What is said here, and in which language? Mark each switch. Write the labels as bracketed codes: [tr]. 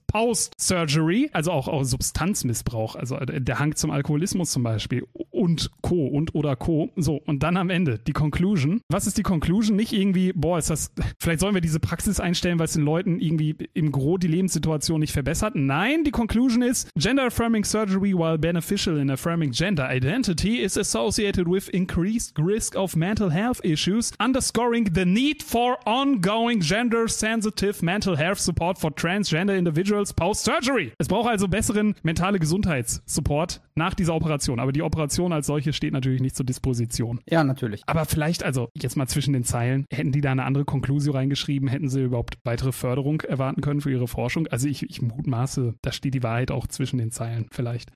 [de] Post-Surgery, also auch, Substanzmissbrauch, also der Hang zum Alkoholismus zum Beispiel und Co. und oder Co. So, und dann am Ende die Conclusion. Was ist die Conclusion? Nicht irgendwie, boah, ist das, vielleicht sollen wir diese Praxis einstellen, weil es den Leuten irgendwie im Gro die Lebenssituation nicht verbessert. Nein, die Conclusion ist, [en] Gender-Affirming Surgery while beneficial in affirming gender identity is associated with increased risk of mental health issues, underscoring the need for ongoing gender-sensitive mental health support for transgender individuals post-surgery. [de] Es braucht also besseren mentale Gesundheitssupport nach dieser Operation. Aber die Operation als solche steht natürlich nicht zur Disposition. Ja, natürlich. Aber vielleicht, also jetzt mal zwischen den Zeilen, hätten die da eine andere Konklusio reingeschrieben? Hätten sie überhaupt weitere Förderung erwarten können für ihre Forschung? Also ich mutmaße, da steht die Wahrheit auch zwischen den Zeilen vielleicht.